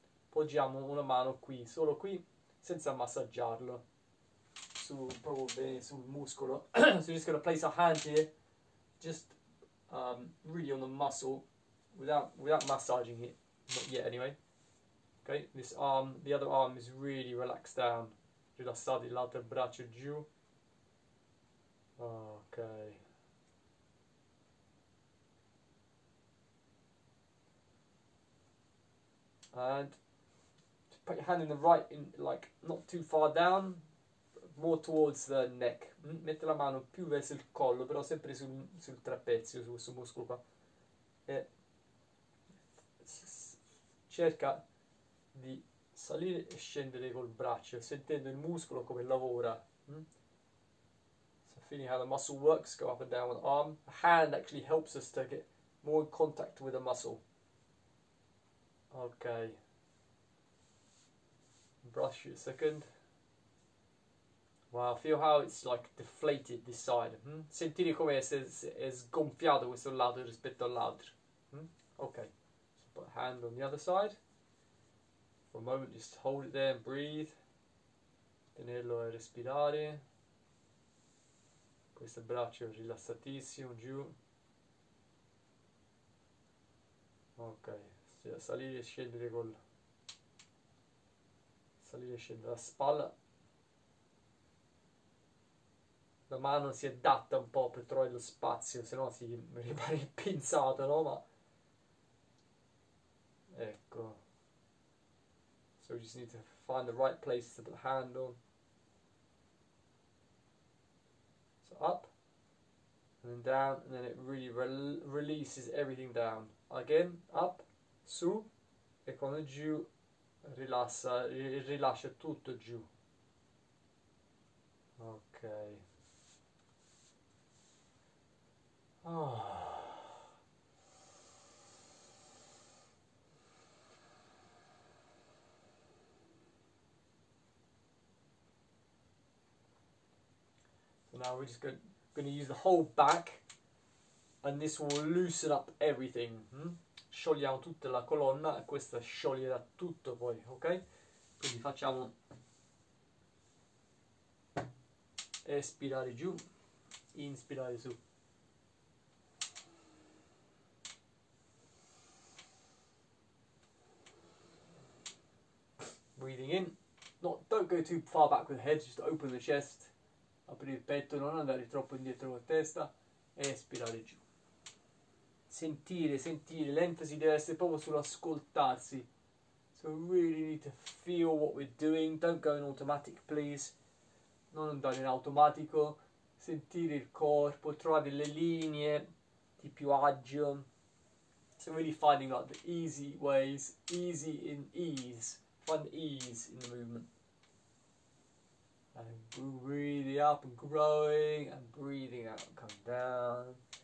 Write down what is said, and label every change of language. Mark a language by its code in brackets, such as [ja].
[it] Poggiamo una mano qui, solo qui, senza massaggiarlo, su, proprio bene sul muscolo. [en] So just gonna place our hand here, just really on the muscle, without massaging it, not yet anyway. Okay, this arm, the other arm is really relaxed down, [it] rilassate l'altro braccio giù. [en] Ok. And... put your hand in the right, in like not too far down, more towards the neck. [it] Mette la mano più verso il collo, però sempre sul trapezio, su questo muscolo qua. E cerca di salire e scendere col braccio, sentendo il muscolo come lavora. [en] So feeling how the muscle works, go up and down with the arm. The hand actually helps us to get more in contact with the muscle. Okay. Brush you a second. Wow, feel how it's like deflated this side. Hmm? [it] Sentire come è sgonfiato questo lato rispetto all'altro. Hmm? Okay. [en] So put a hand on the other side. For a moment, just hold it there and breathe. [it] Tenerlo a respirare. Questo braccio rilassatissimo giù. Okay. So, salire e scendere col. Salire e scendere la spalla. La mano si adatta un po' per trovare lo spazio, se no si rimane pinzato, no? Ma ecco. [en] So we just need to find the right place to put the hand on. So up. And then down. And then it really releases everything down. Again, up, [it] su. E quando giù. Rilassa, rilascia tutto giù. Ok. Oh. [en] So now we're just gonna use the whole back and this will loosen up everything. Hmm? [it] Sciogliamo tutta la colonna e questa scioglierà tutto poi, ok? Quindi facciamo espirare giù, inspirare su. [en] Breathing in. Not, don't go too far back with the head, just open the chest. [it] Apri il petto, non andare troppo indietro con la testa. Espirare giù. Sentire, l'enfasi deve essere proprio sull'ascoltarsi. [en] So we really need to feel what we're doing. Don't go in automatic, please. [it] Non andare in automatico. Sentire il corpo, trovare le linee di più agio. [en] So really finding like the easy ways, easy in ease. Find ease in the movement. I'm breathing up and growing, I'm breathing out and coming down.